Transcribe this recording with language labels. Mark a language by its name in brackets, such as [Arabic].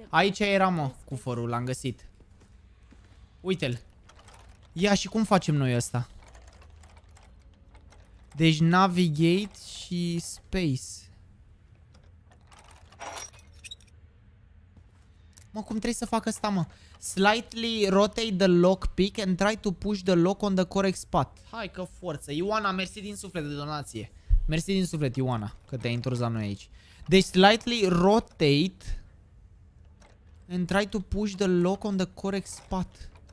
[Romanian] Aici era, mă, cufărul, l-am găsit. Uite-l. Ia, și cum facem noi ăsta? Deci navigate și space. Mă, cum trebuie să fac asta, mă? [English] Slightly rotate the lockpick and try to push the lock on the correct spot. [Romanian] Hai că forță. Ioana, mersi din suflet de donație. Mersi din suflet, Ioana, că te-ai întors la noi aici. [English] Deci slightly rotate and try to push the lock on the correct spot.